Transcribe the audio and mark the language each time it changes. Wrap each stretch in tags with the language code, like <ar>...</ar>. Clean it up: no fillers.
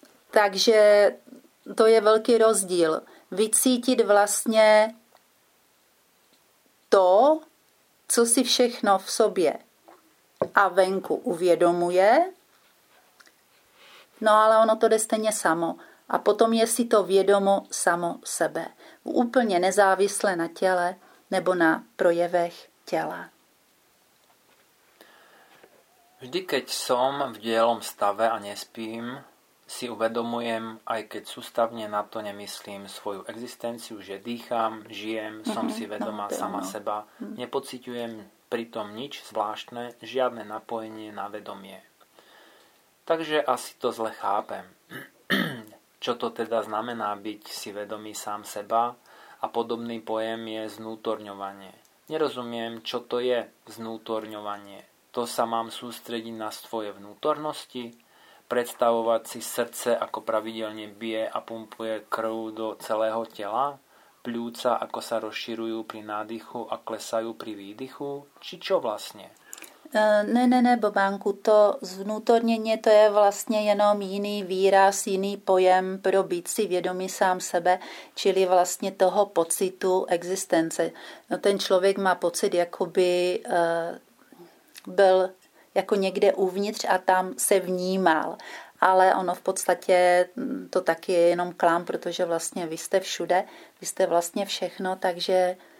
<cs>Takže to je velký rozdíl. Vycítit vlastně to, co si všechno v sobě a venku uvědomuje. No ale ono to jde stejně samo. A potom je si to vědomo samo sebe. Úplně nezávisle na těle nebo na projevech těla.</cs> <sk>Vždy, keď som v dielom stave a nespím, si uvedomujem, aj keď sústavne na to nemyslím, svoju existenciu, že dýcham, žijem, som si vedomá sama seba. Nepociťujem pritom nič zvláštne, žiadne napojenie na vedomie. Takže asi to zle chápem. Čo to teda znamená byť si vedomý sám seba? A podobný pojem je znútorňovanie. Nerozumiem, čo to je znútorňovanie. To sa mám sústrediť na svoje vnútornosti? Predstavovať si srdce, ako pravidelne bije a pumpuje krv do celého tela? Pľúca, ako sa rozširujú pri nádychu a klesajú pri výdychu? Či čo vlastne?</sk> <cs>Ne, Bobánku, to znútornění to je vlastně jenom jiný výraz, jiný pojem pro být si vědomý sám sebe, čili vlastně toho pocitu existence. No, ten člověk má pocit, jakoby byl jako někde uvnitř a tam se vnímal, ale ono v podstatě to taky je jenom klám, protože vlastně vy jste všude, vy jste vlastně všechno, takže...</cs>